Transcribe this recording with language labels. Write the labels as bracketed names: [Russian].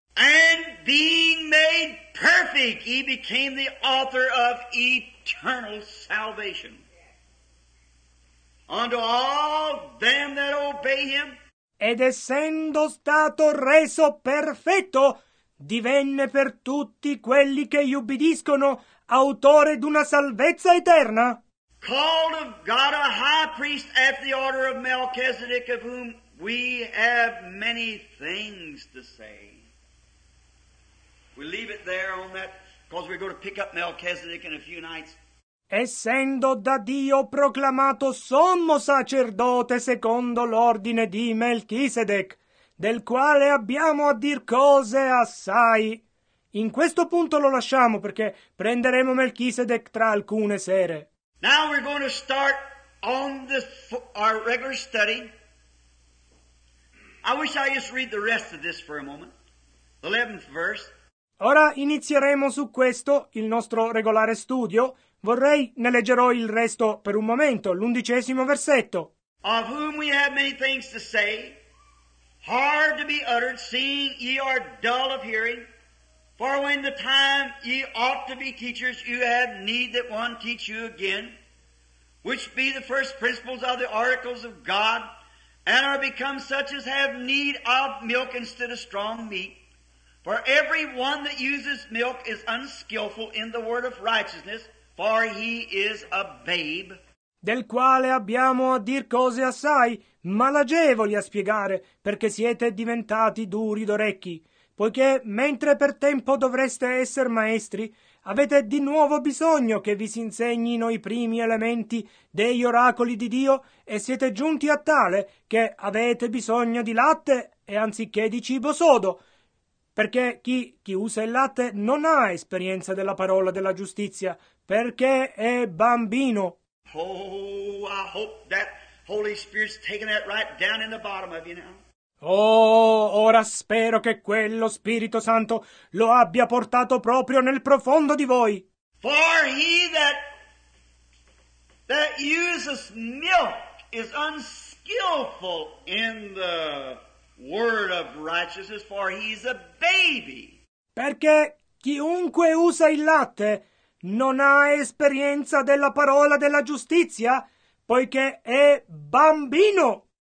[English] And being made perfect, he became the author of eternal salvation. Unto all them that obey him. [Italian] Ed essendo stato reso perfetto, divenne per tutti quelli che gli ubbidiscono autore d'una salvezza eterna. [English] Called of God a high priest at the order of Melchizedek, of whom we have many things to say. We leave it there on that, because we're going to pick up Melchizedek in a few nights. [Italian] Essendo da Dio proclamato sommo sacerdote secondo l'ordine di Melchisedec, del quale abbiamo a dir cose assai. In questo punto lo lasciamo, perché prenderemo Melchisedec tra alcune sere. [English] Now we're going to start on this our regular study. I wish I just read the rest of this for a moment. The 11th verse. [Italian] Ora inizieremo su questo, il nostro regolare studio. Vorrei ne leggerò il resto per un momento, l'undicesimo versetto. [English] Of whom we have many things to say, hard to be uttered, seeing ye are dull of hearing. For when the time ye ought to be teachers, you have need that one teach you again, which be the first principles of the oracles of God, and are become such as have need of milk instead of strong meat. For every one that uses milk is unskillful in the word of righteousness, for he is a babe. [Italian] Del quale abbiamo a dir cose assai, malagevoli a spiegare, perché siete diventati duri d'orecchi, poiché mentre per tempo dovreste essere maestri, avete di nuovo bisogno che vi si insegnino i primi elementi degli oracoli di Dio, e siete giunti a tale che avete bisogno di latte e anziché di cibo sodo, perché chi usa il latte non ha esperienza della parola della giustizia, perché è bambino. [English] Oh, I hope that Holy Spirit's taking that right down in the bottom of you now. [Italian] Oh, ora spero che quello Spirito Santo lo abbia portato proprio nel profondo di voi. [English] For he that uses milk is unskillful in the word of righteousness, for he's a baby. [Italian] Perché chiunque usa il latte non ha esperienza della parola della giustizia, poiché è bambino.